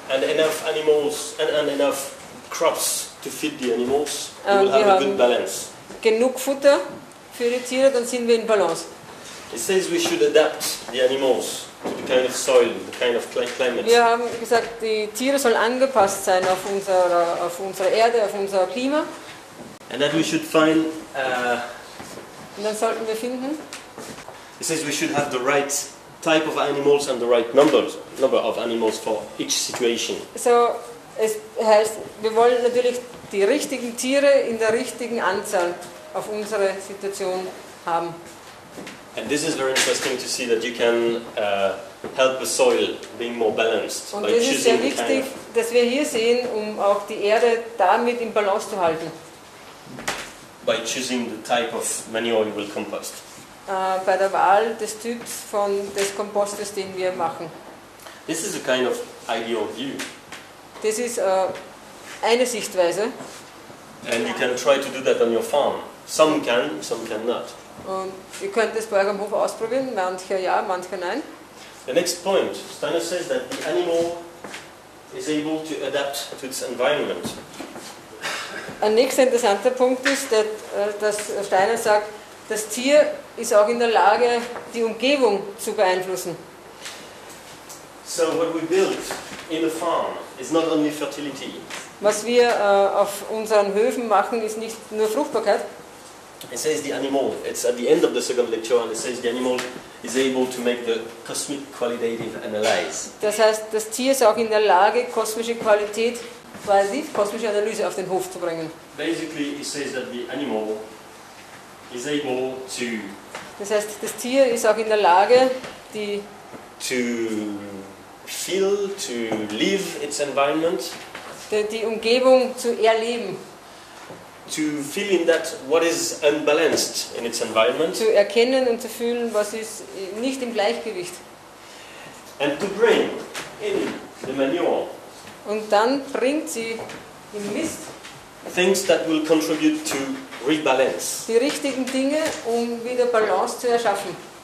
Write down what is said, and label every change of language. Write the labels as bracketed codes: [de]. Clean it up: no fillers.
[en] And enough animals and enough crops to feed the animals, we will have a good balance. [de] Genug Futter für die Tiere, dann sind wir in Balance. [en] It says we should adapt the animals to the kind of soil, the kind of climate. [de] Wir haben gesagt, die Tiere sollen angepasst sein auf unsere Erde, auf unser Klima. [en] And that we should find. [de] Und dann sollten wir finden. [en] It says we should have the right type of animals and the right number of animals for each situation. [de] So, es heißt, wir wollen natürlich die richtigen Tiere in der richtigen Anzahl auf unsere Situation haben. [en] And this is very interesting to see that you can help the soil being more balanced. [de] Und das ist sehr wichtig, dass wir hier sehen, um auch die Erde damit in Balance zu halten. [en] By choosing the type of manureable compost. [de] Bei der Wahl des Typs von des Kompostes, den wir machen. [en] This is a kind of ideal view. [de] Das ist eine Sichtweise. [en] And you can try to do that on your farm. Some can, some cannot. [de] Und ihr könnt das bei eurem Hof ausprobieren, manche ja, manche nein. [en] The next point, Steiner says that the animal is able to adapt to its environment. [de] Ein nächster interessanter Punkt ist, dass Steiner sagt, das Tier ist auch in der Lage, die Umgebung zu beeinflussen. [en] So what we build in the farm is not only fertility. [de] Was wir auf unseren Höfen machen, ist nicht nur Fruchtbarkeit. [en] It says the animal, it's at the end of the second lecture, and it says the animal is able to make the cosmic qualitative analyze. [de] Das heißt, das Tier ist auch in der Lage, kosmische Qualität, kosmische Analyse auf den Hof zu bringen. [en] Basically, it says that the animal is able to. [de] Das heißt, das Tier ist auch in der Lage, die. [en] To feel, to live its environment. [de] Die Umgebung zu erleben. [en] To feel in that what is unbalanced in its environment. [de] Zu erkennen und zu fühlen, was ist nicht im Gleichgewicht. [en] And to bring in the manure. [de] Und dann bringt sie im Mist. [en] Things that will contribute to rebalance. [de] Die richtigen Dinge, um wieder Balance zu erschaffen.